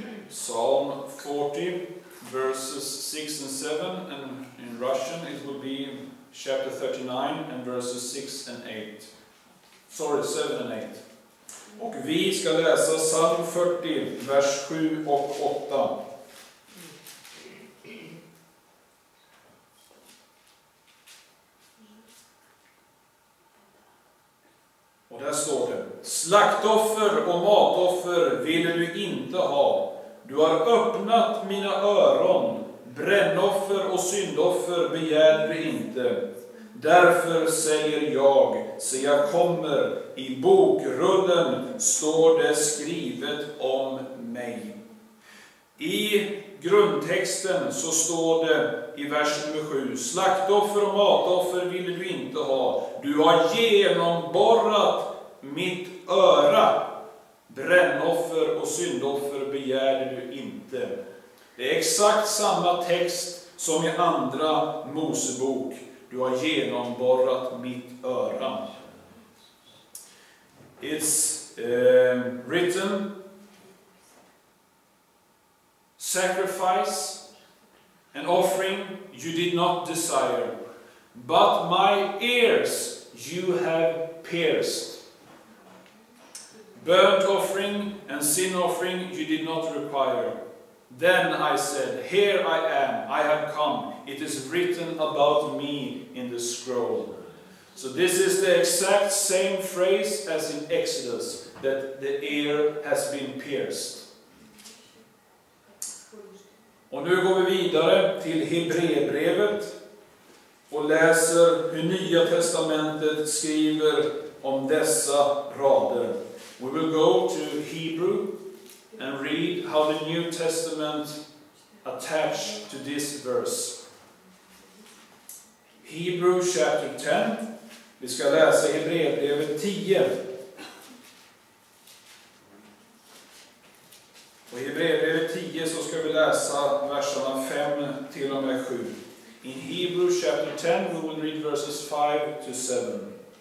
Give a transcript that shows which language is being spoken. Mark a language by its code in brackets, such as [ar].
[en] Psalm 40, verses 6 and 7, and in Russian it will be chapter 39 and verses 6 and 8. Sorry, 7 and 8. [sv] Och vi ska läsa Psalm 40, vers 7 och 8. Och där står det, slaktoffer och matoffer vill du inte ha. Du har öppnat mina öron, brännoffer och syndoffer begär du inte. Därför säger jag, så jag kommer, i bokrullen står det skrivet om mig. I grundtexten så står det i vers nummer 7, slaktoffer och matoffer vill du inte ha. Du har genomborrat mitt öra, brännoffer och syndoffer begär du inte. Det är exakt samma text som i andra Mosebok. Du har genomborrat mitt öra. [en] It's written, sacrifice, an offering you did not desire, but my ears you have pierced. Burnt offering and sin offering you did not require. Then I said, here I am, I have come. It is written about me in the scroll. So this is the exact same phrase as in Exodus, that the ear has been pierced. [sv] Och nu går vi vidare till Hebreerbrevet och läser hur Nya Testamentet skriver om dessa rader. [en] We will go to Hebrew and read how the New Testament attached to this verse. Hebrew chapter 10. [sv] Vi ska läsa Hebreerbrevet 10. Och i Hebreerbrevet 10 så ska vi läsa verserna 5 till och med 7. [en] In Hebrews chapter 10 we will read verses 5 to 7.